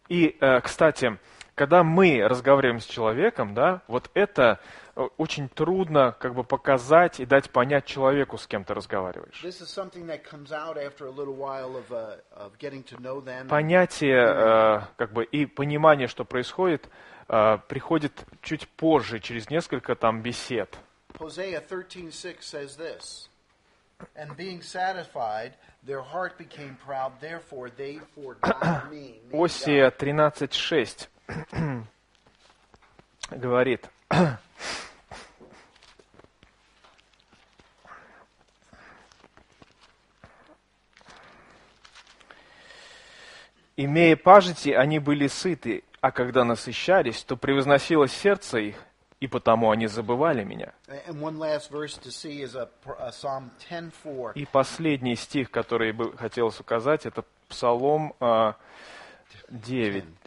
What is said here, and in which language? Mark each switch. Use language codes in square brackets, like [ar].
[ru] И, кстати, когда мы разговариваем с человеком, да, вот это очень трудно как бы показать и дать понять человеку, с кем ты разговариваешь. [en] This is something that comes out after a little while of getting to know them. [ru] Понятие, как бы, и понимание, что происходит, приходит чуть позже, через несколько там бесед. [en] Hosea 13:6 says this, and being satisfied, their heart became proud, therefore they forgot me. [ru] Осия 13:6 говорит, имея пажити, они были сыты, а когда насыщались, то превозносилось сердце их, и потому они забывали меня. [en] And one last verse to see is a Psalm 10:4. [ru] И последний стих, который бы хотелось указать, это Псалом 10.